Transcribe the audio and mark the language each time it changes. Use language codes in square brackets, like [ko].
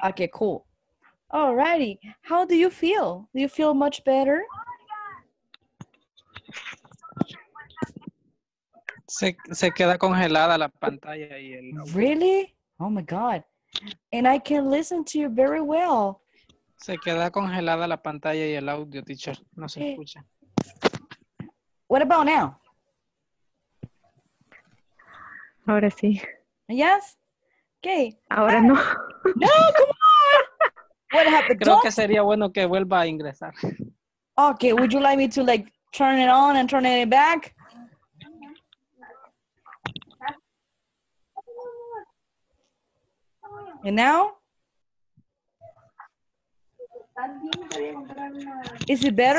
[en] Okay, cool. Alrighty. How do you feel? Do you feel much better? [es] Se queda congelada la pantalla y el... [en] Really? Oh my God. And I can listen to you very well. [es] Se queda congelada la pantalla y el audio, teacher. No se escucha. [en] What about now? [es] Ahora sí. [en] Yes? Okay. [es] Ahora no. [en] No, come on. What happened? [es] Creo que sería bueno que vuelva a ingresar. [en] Okay, would you like me to like turn it on and turn it back? And now? Is it better?